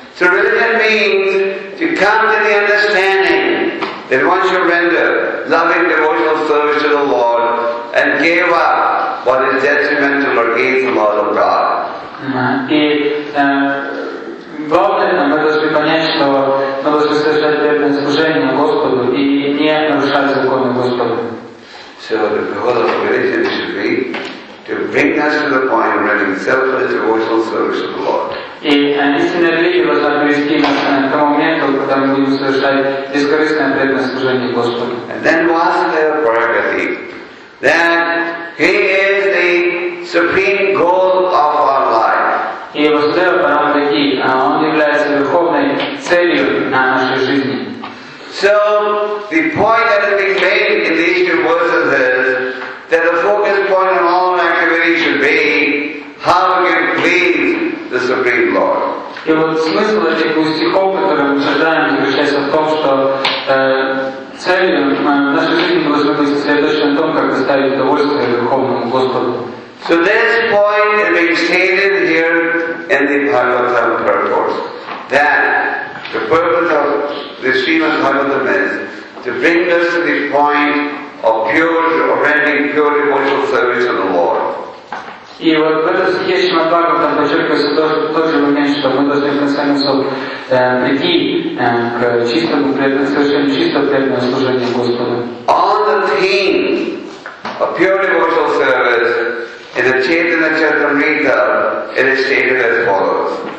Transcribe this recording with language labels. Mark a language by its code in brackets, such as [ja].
[en] So religion means to come to the understanding that once you render loving devotional service to the Lord and give up what is detrimental or against the laws of God. [ru] Главное, мы должны понять, что мы должны совершать верное служение Господу и не нарушать законы Господа. [en] So the goal of religion should be to bring us to the point of rendering selfless devotional service to the Lord. [ru] И истинная религия должна привести нас к тому моменту, когда мы будем совершать бескорыстное преданное служение Господу. [en] And then Vasudeva Prajapati, that he is the supreme goal of our life. [ru] И Васудева Парамадхи, он является верховной целью на нашей жизни. [en] So, the point that is being made in these two verses is that the focus point on all activity should be how we can please the Supreme Lord. [ru] И вот смысл этих двух стихов, которые мы читаем, заключается в том, что целью нашей жизни должно быть сосредоточено на том, как доставить удовольствие Верховному Господу. [en] So this point is being stated here in the Bhagavatam purport, that the purpose of the Srimad Bhagavatam is to bring us to the point of pure, of rendering pure devotional service to the Lord. [ru] И вот в этом стихе Шримад Бхагаватам подчеркивается тот же момент, что мы должны в конце концов прийти к чистому совершению чистого преданного служения Господу. [en] On the theme of pure devotional service, in the Chaitanya Charitamrita, it is stated as follows.